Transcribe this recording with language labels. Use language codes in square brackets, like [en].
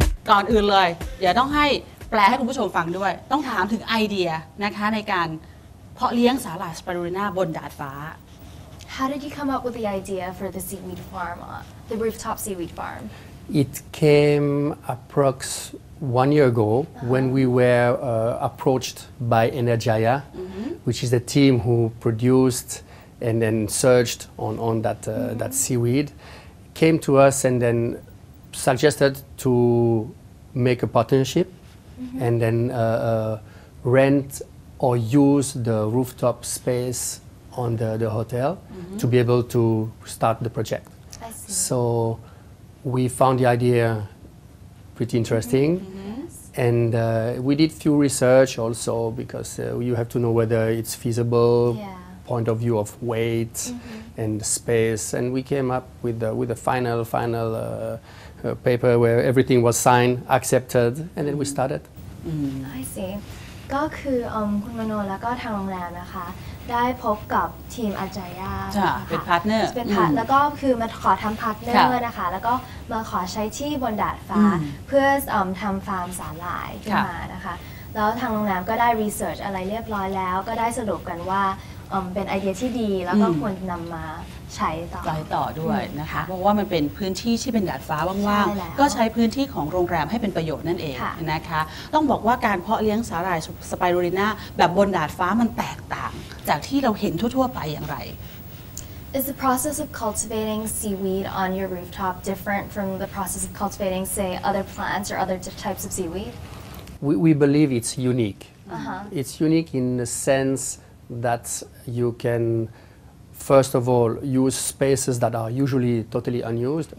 [th] ก่อนอื่นเลยเดี๋ยวต้องให้แปลให้คุณผู้ชมฟังด้วยต้องถามถึงไอเดียนะคะในการเพาะเลี้ยงสาหร่ายสไปรูลินาบนดาดฟ้า [en] How did you come up with the idea for the seaweed farm, the rooftop seaweed farm? It came approx 1 year ago when we were approached by Energia, which is the team who produced and then searched on that that seaweed, came to us and then. Suggested to make a partnership and then rent or use the rooftop space on the hotel to be able to start the project. I see. So we found the idea pretty interesting and we did few research also because you have to know whether it's feasible point of view of weight and space and we came up with the final paper where everything was signed, accepted, and then we started. I see. [th] ก็คือคุณมโนและก็ทางโรงแรมนะคะได้พบกับทีมอาจารย์ ใช่เป็นพาร์ทเนอร์ เป็นพาร์ทแล้วก็คือมาขอทำพาร์ทเนอร์นะคะแล้วก็มาขอใช้ที่บนดาดฟ้าเพื่อทำฟาร์มสาหร่ายขึ้นมานะคะแล้วทางโรงแรมก็ได้รีเสิร์ชอะไรเรียบร้อยแล้วก็ได้สรุปกันว่าเป็นไอเดียที่ดีแล้วก็ควรนำมา ใช้ต่อด้วยนะคะเพราะว่ามันเป็นพื้นที่ที่เป็นดาดฟ้าว่างๆก็ ใช้พื้นที่ของโรงแรมให้เป็นประโยชน์นั่นเองนะคะต้องบอกว่าการเพาะเลี้ยงสาหร่ายสไปรูลินาแบบบนดาดฟ้ามันแตกต่างจากที่เราเห็นทั่วๆไปอย่างไร [en] Is the process of cultivating seaweed on your rooftop different from the process of cultivating say other plants or other types of seaweed We believe it's unique It's unique in the sense that you canFirst of all, use spaces that are usually totally unused.